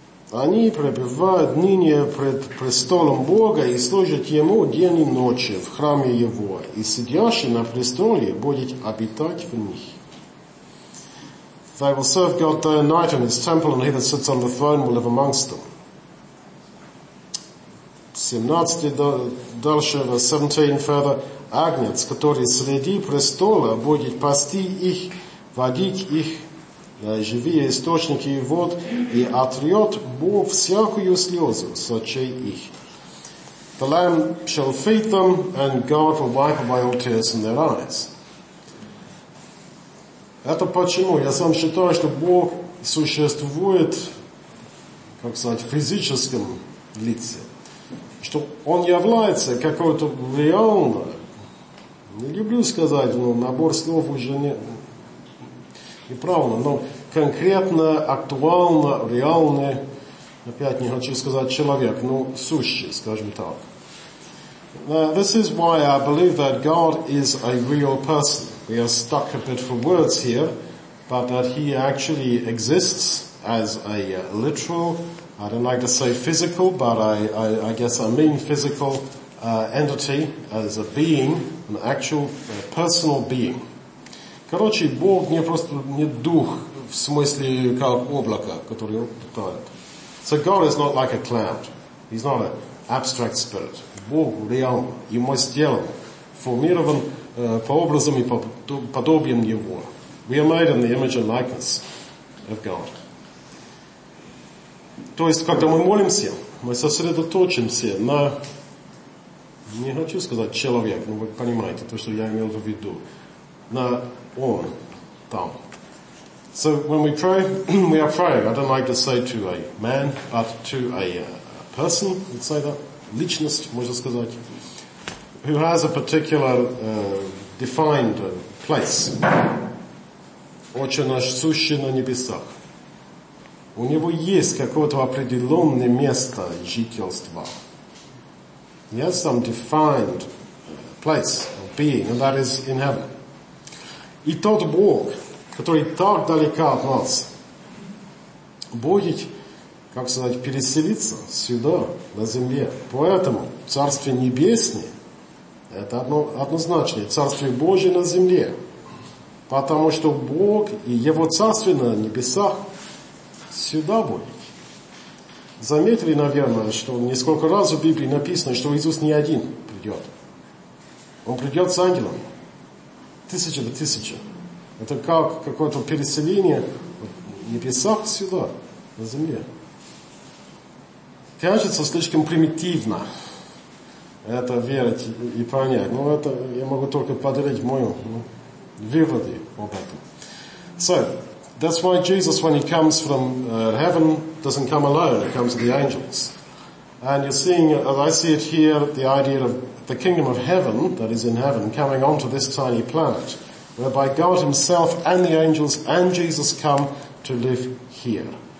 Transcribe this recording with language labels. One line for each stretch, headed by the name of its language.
Russian: Они пребывают ныне пред престолом Бога и служат Ему день и ночи в храме Его, и сидящий на престоле будет обитать в них.
English: They will serve God day and night in His temple, and He that sits on the throne will live amongst them. 17 further,
Russian: Агнец, который среди престола, будет пасти их, водить их, живые источники и вод, и отрет Бог всякую слезу с очей их.
English: The Lamb shall feed them, and God will wipe away all tears from their eyes.
Russian: Это почему? Я сам считаю, что Бог существует, как сказать, в физическом лице. Что Он является какой-то реально. Не люблю сказать, но набор слов уже не... Неправильно, но конкретно, актуально, реально, опять не хочу сказать человек, но сущий, скажем так.
English: Now, this is why I believe that God is a real person. We are stuck a bit for words here, but that He actually exists as a literal, I don't like to say physical, but I guess I mean physical entity, as a being, an actual personal being.
Russian: Короче, Бог не просто не дух, в смысле, как облако, которое он питает.
English: So God is not like a cloud. He's not an abstract spirit.
Russian: Бог реальный, и мы сделаны, формирован по образам и подобием Его.
English: We are made in the image and likeness of God.
Russian: То есть, когда мы молимся, мы сосредоточимся на... Не хочу сказать человек, но вы понимаете то, что я имел в виду. На... Он там.
English: So when we pray, we are praying. I don't like to say to a man, but to a person, let's say that,
Russian: личность, можно сказать,
English: who has a particular defined place.
Russian: Отче наш сущий на небесах. У него есть какое-то определенное место жительства.
English: He has some defined place or being, and that is in heaven.
Russian: И тот Бог, который так далеко от нас, будет, как сказать, переселиться сюда, на земле. Поэтому Царствие Небесное, это однозначно, Царствие Божие на земле. Потому что Бог и Его Царствие на небесах сюда будет. Заметили, наверное, что несколько раз в Библии написано, что Иисус не один придет. Он придет с ангелами. Тысяча в тысяча. Это как какое-то переселение небесах сюда, на земле. кажется слишком примитивно это верить и понять. Но это я могу только поделить мою выводы об этом.
English: So, that's why Jesus, when he comes from heaven, doesn't come alone, he comes with the angels. And you're seeing, as I see it here, the idea of the kingdom of heaven, that is in heaven, coming onto this tiny planet, whereby God himself and the angels and Jesus come to live here.